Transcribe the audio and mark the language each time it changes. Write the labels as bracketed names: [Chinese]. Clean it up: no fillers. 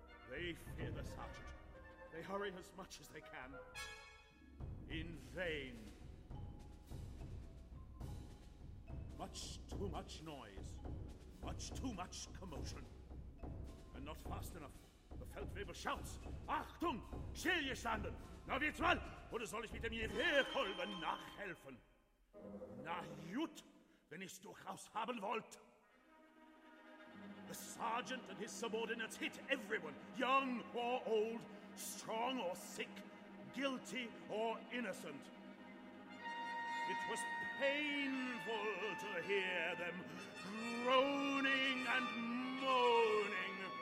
[English] They fear the sergeant. They hurry as much as they can. In vain. Much too much noise. Much too much commotion. And not fast enough. [German] Der Feldwebel schaut's. Achtung, stillgestanden. Na, wird's mal. Oder soll ich mit dem Gewehrkolben nachhelfen? Na gut, wenn ich's durchaus haben wollt. [English] The sergeant and his subordinates hit everyone, young or old, strong or sick, guilty or innocent. It was painful to hear them groaning and moaning.